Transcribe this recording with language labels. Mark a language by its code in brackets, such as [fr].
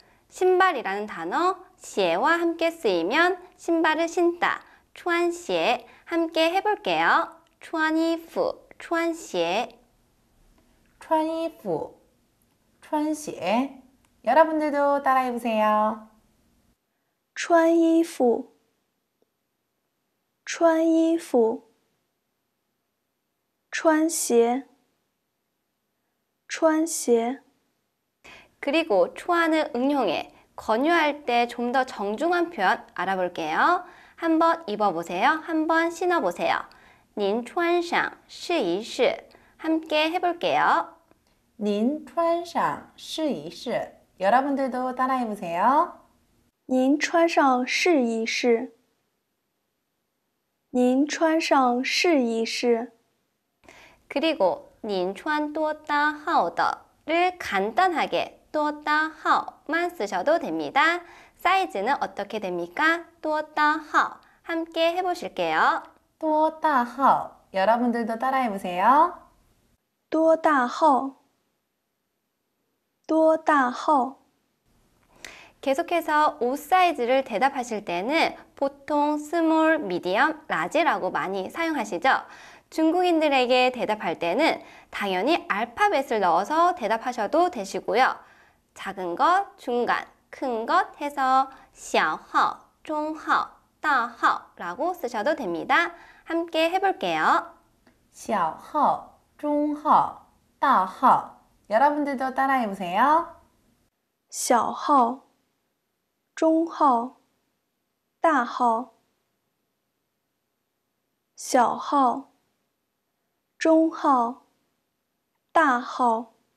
[ko] 신발이라는 단어 鞋와 함께 쓰이면 신발을 신다, 穿鞋. 함께 해볼게요. [zh] 穿衣服, 穿鞋. 穿衣服, 穿鞋. [ko] 여러분들도 따라해 보세요. [zh] 穿衣服 穿衣服 穿鞋 穿鞋 [ko] 그리고 穿을 응용해 권유할 때 좀 더 정중한 표현 알아볼게요. 한번 입어보세요. 한번 신어보세요. [zh] 您穿上试一试 [ko] 함께 해볼게요. [zh] 您穿上试一试 [ko] 여러분들도 따라해 보세요. [zh] 您穿上试一试.您穿上试一试. [ko] 그리고 [zh] 您穿多大号的 [ko] 를 간단하게 [zh] 多大号 [ko] 만 쓰셔도 됩니다. 사이즈는 어떻게 됩니까? [zh] 多大号 [ko] 함께 해 보실게요. [zh] 多大号 [ko] 여러분들도 따라해 보세요. [zh] 多大号 多大号 [ko] 계속해서 옷 사이즈를 대답하실 때는 보통 스몰, 미디엄, 라지라고 많이 사용하시죠? 중국인들에게 대답할 때는 당연히 알파벳을 넣어서 대답하셔도 되시고요. 작은 것, 중간, 큰 것 해서 [zh] 小号, 中号, 大号 [ko] 라고 쓰셔도 됩니다. 함께 해볼게요. [zh] 小号, 中号, 大号 [ko] 여러분들도 따라해보세요. [zh] 小号 中号,大号,小号,中号,大号.